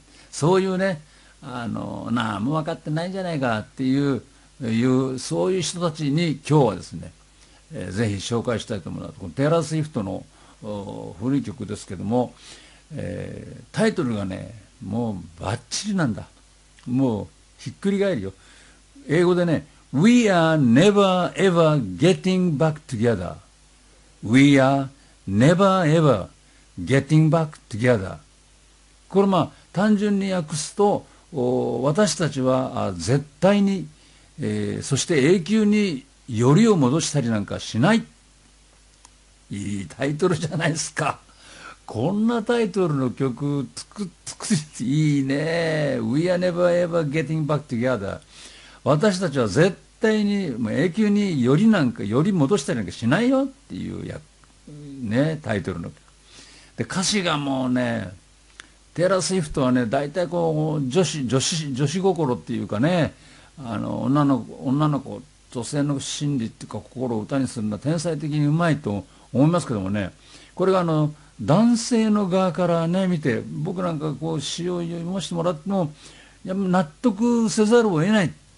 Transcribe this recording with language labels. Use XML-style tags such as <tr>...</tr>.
<ja>そういうね、なあもう分かってないんじゃないかっていう、そういう人たちに今日はですね、ぜひ紹介したいと思います。このテイラー・スウィフトの古い曲ですけども、タイトルがね、もうバッチリなんだ、もうひっくり返るよ。英語でね、</ja> <en>We are never ever getting back together. We are never ever getting back together.</en> <ja>これまあ単純に訳すと、私たちは絶対に、そして永久によりを戻したりなんかしない。いいタイトルじゃないですか。こんなタイトルの曲作っていいね。</ja> <en>We are never ever getting back together.</en> <ja>私たちは絶対に永久によりなんか、より戻したりなんかしないよっていうね、タイトルの曲。で、歌詞がもうね、テイラー・スウィフトはね、大体こう、女子心っていうかね、女の子、女性の心理っていうか心を歌にするのは天才的にうまいと思いますけどもね、これが男性の側からね、見て、僕なんかこう、詩を読ませてもらっても、いや、納得せざるを得ない。</ja>